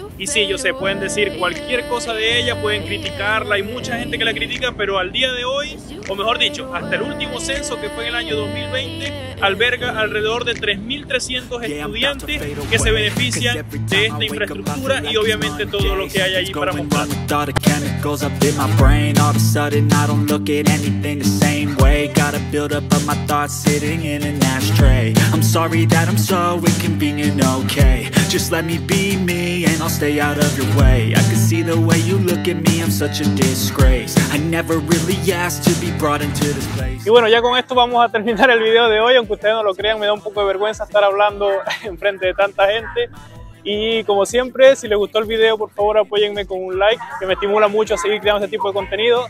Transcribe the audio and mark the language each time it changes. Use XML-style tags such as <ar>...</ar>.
<es>Y sí, yo sé, pueden decir cualquier cosa de ella, pueden criticarla, hay mucha gente que la critica, pero al día de hoy, o mejor dicho, hasta el último censo, que fue en el año 2020, alberga alrededor de 3.300 estudiantes que se benefician de esta infraestructura y obviamente todo lo que hay allí para mostrar.</es> <en>Goes up in my brain. All of a sudden, I don't look at anything the same way. Gotta build up of my thoughts sitting in an ashtray. I'm sorry that I'm so inconvenient, okay. Just let me be me and I'll stay out of your way. I can see the way you look at me, I'm such a disgrace. I never really asked to be brought into this place.</en> <es>Y bueno, ya con esto vamos a terminar el video de hoy. Aunque ustedes no lo crean, me da un poco de vergüenza estar hablando en frente de tanta gente. Y como siempre, si les gustó el video, por favor apóyenme con un like, que me estimula mucho a seguir creando este tipo de contenido.</es>